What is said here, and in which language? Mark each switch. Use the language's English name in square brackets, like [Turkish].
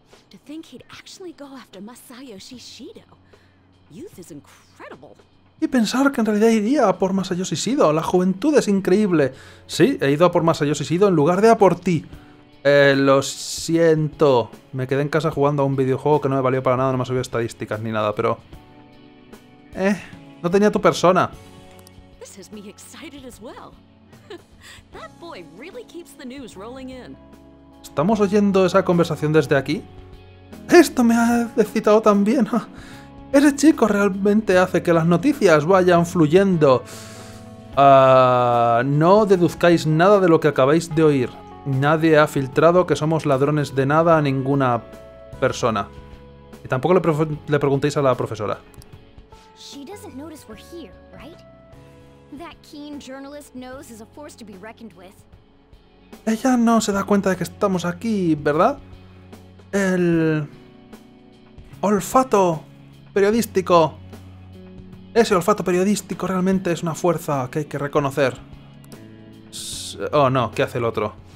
[English] To think he'd actually go after Masayoshi Shido. Youth is incredible. [Spanish] Y pensar que en realidad iría a por Masayoshi Shido. La juventud es increíble. Sí, he ido a por Masayoshi Shido en lugar de a por ti. Lo siento. Me quedé en casa jugando a un videojuego que no me valió para nada, no me subió estadísticas ni nada, pero... no tenía tu persona. [English] This has me excited as well. That boy really keeps the news rolling in. [Spanish] ¿Estamos oyendo esa conversación desde aquí? ¡Esto me ha excitado también! ¡Ese chico realmente hace que las noticias vayan fluyendo! No deduzcáis nada de lo que acabáis de oír. Nadie ha filtrado que somos ladrones de nada a ninguna persona. Y tampoco le preguntéis a la profesora. [English] She doesn't notice we're here, right? That keen journalist knows is a force to be reckoned with. [Spanish] Ella no se da cuenta de que estamos aquí, ¿verdad? El olfato periodístico. Ese olfato periodístico realmente es una fuerza que hay que reconocer. Oh no, ¿qué hace el otro?